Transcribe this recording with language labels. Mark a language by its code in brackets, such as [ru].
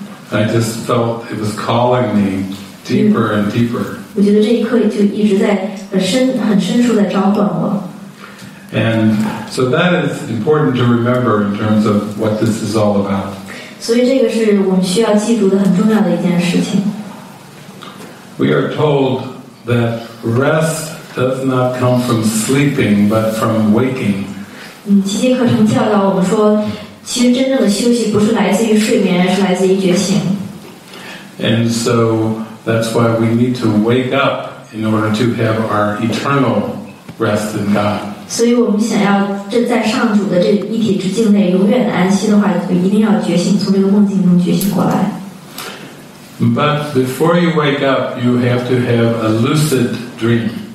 [en] I just felt it was calling me deeper and deeper. [zh] 我觉得这一刻就一直在很深处在召唤我。 [en] And so that is important to remember in terms of what this is all about. [zh] 所以这个是我们需要记住的很重要的一件事情。 [en] We are told that rest does not come from sleeping, but from waking. [zh] 奇迹课程教导我们说, 其实真正的休息不是来自于睡眠,而是来自于觉醒。 [en] And so that's why we need to wake up in order to have our eternal rest in God. [zh] 所以我们想要在上主的这一体之境内永远的安息的话，就一定要觉醒，从这个梦境中觉醒过来。 [en] But before you wake up, you have to have a lucid dream.